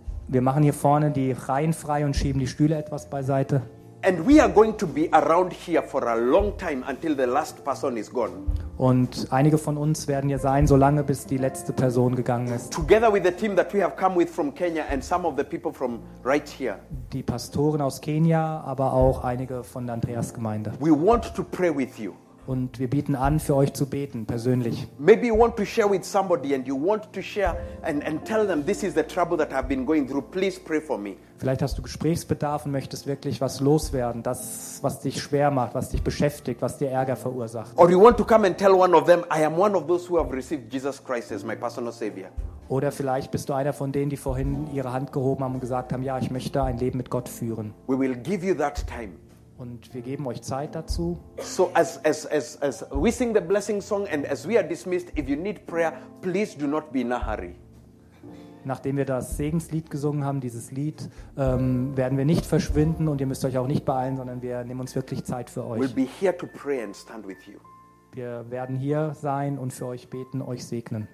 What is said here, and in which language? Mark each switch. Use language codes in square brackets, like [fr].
[de] Wir machen hier vorne die Reihen frei und schieben die Stühle etwas beiseite. [en] And we are going to be around here for a long time until the last person is gone. [de] Und einige von uns werden hier sein, solange bis die letzte Person gegangen ist. [en] Together with the team that we have come with from Kenya and some of the people from right here. [de] Die Pastoren aus Kenia, aber auch einige von der Andreas-Gemeinde. [en] We want to pray with you. [de] Und wir bieten an, für euch zu beten, persönlich. [en] Maybe you want to share with somebody and you want to share and tell them this is the trouble that I've been going through. Please pray for me. [de] Vielleicht hast du Gesprächsbedarf und möchtest wirklich was loswerden, das, was dich schwer macht, was dich beschäftigt, was dir Ärger verursacht. [en] Or you want to come and tell one of them, I am one of those who have received Jesus Christ as my personal savior. [de] Oder vielleicht bist du einer von denen, die vorhin ihre Hand gehoben haben und gesagt haben, ja, ich möchte ein Leben mit Gott führen. [en] We will give you that time. [de] Und wir geben euch Zeit dazu. [en] So as we sing the blessing song and as we are dismissed, if you need prayer, please do not be in a hurry. [de] Nachdem wir das Segenslied gesungen haben, dieses Lied, werden wir nicht verschwinden und ihr müsst euch auch nicht beeilen, sondern wir nehmen uns wirklich Zeit für euch. [en] We'll be here to pray and stand with you. [de] Wir werden hier sein und für euch beten, euch segnen.